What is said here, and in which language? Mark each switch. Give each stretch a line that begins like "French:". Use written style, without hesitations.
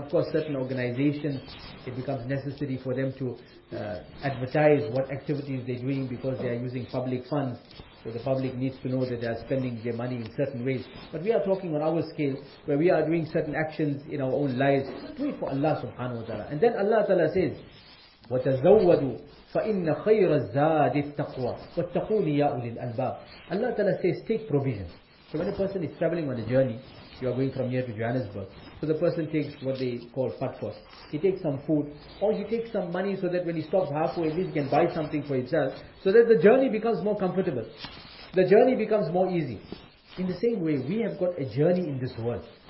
English: Of course, certain organizations, it becomes necessary for them to advertise what activities they're doing because they are using public funds. So the public needs to know that they are spending their money in certain ways. But we are talking on our scale where we are doing certain actions in our own lives. Do it for Allah subhanahu wa ta'ala. And then Allah ta'ala says,
Arabic: وَتَزَوَّدُوا فَإِنَّ خَيْرَ الزَّادِ التَّقْوَى وَاتَّقُونِ يَا أُولِي الْأَلْبَابِ.
English: Allah Ta'ala says, take provision. So when a person is traveling on a journey, you are going from here to Johannesburg, so the person takes what they call fatfos. He takes some food, or he takes some money so that when he stops halfway, at least he can buy something for himself, so that the journey becomes more comfortable. The journey becomes more easy. In the same way, we have got a journey in this world.